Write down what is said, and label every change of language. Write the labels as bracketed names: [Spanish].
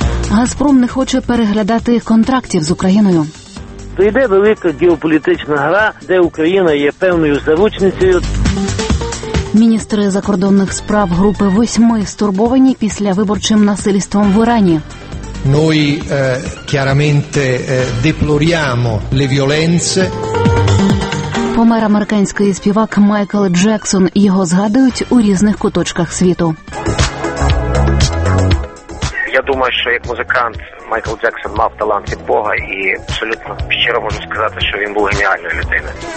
[Ukrainian] Газпром не хоче переглядати контрактів з Україною. То йде велика геополітична гра, де Україна є певною заручницею. Міністри закордонних справ групи восьми стурбовані після виборчим насильством в Ірані. [Italian] Noi chiaramente deploriamo le violenze. [Ukrainian] Помер американський співак Майкл Джексон. Його згадують у різних куточках світу. Я думаю, що як музикант Майкл Джексон мав талант від Бога і абсолютно щиро можу сказати, що він був геніальною людиною.